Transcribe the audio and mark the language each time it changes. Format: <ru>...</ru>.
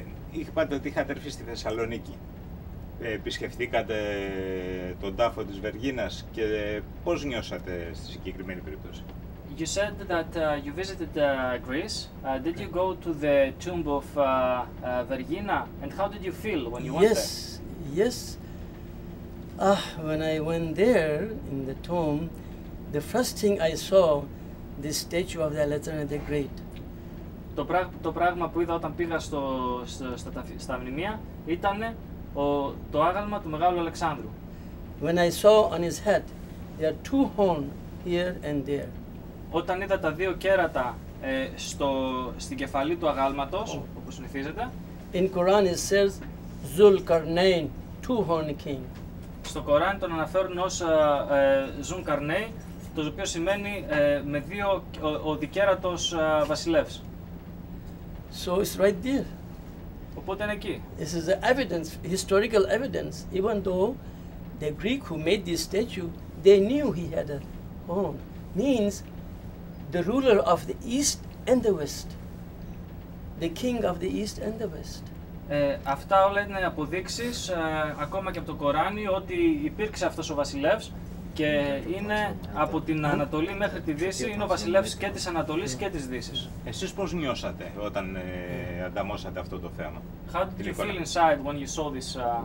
<el>Είπατε ότι είχατε έρθει στη Θεσσαλονίκη. Επισκεφτήκατε τον τάφο της Βεργίνας και πώς νιώσατε στη συγκεκριμένη περίπτωση?</el> <en>You said that you visited Greece. Did you go to the tomb of Vergina? And how did you feel when you yes, went there? Yes, yes. When I went there in the tomb, the first thing I saw, the statue of the Alexander the Great.</en> <el>Το πράγμα που είδα όταν πήγα στα μνημεία ήταν το άγαλμα του μεγάλου Αλεξάνδρου.</el> <en>When I saw on his head, there are two horns here and there.</en> <el>Όταν είδα τα δύο κέρατα στην κεφαλή του αγάλματος, oh, όπως συνηθίζεται.</el> <en>In Quran it says Zulkarnain, two-horned king.</en> <el>Στο Κοράν τον αναφέρουν ως Zulkarnain, το οποίο σημαίνει με δύο ο δικέρατος βασιλεύς.</el> <en>So it's right there.</en> <el>Οπότε είναι εκεί.</el> <en>This is the evidence, historical evidence, even though the Greek who made this statue, they knew he had a horn. Means the ruler of the east and the west, the king of the east and the west.</en> <el>Αυτά όλα είναι αποδείξεις, ακόμα και από το Κοράνι, ότι υπήρξε αυτός ο βασιλεύς και είναι από την Ανατολή μέχρι τη Δύση, είναι ο βασιλεύς και της Ανατολής και της Δύσης. Εσείς πώς νιώσατε όταν ανταμώσατε αυτό το θέμα?</el> <en>How did you feel inside when you saw this?</en>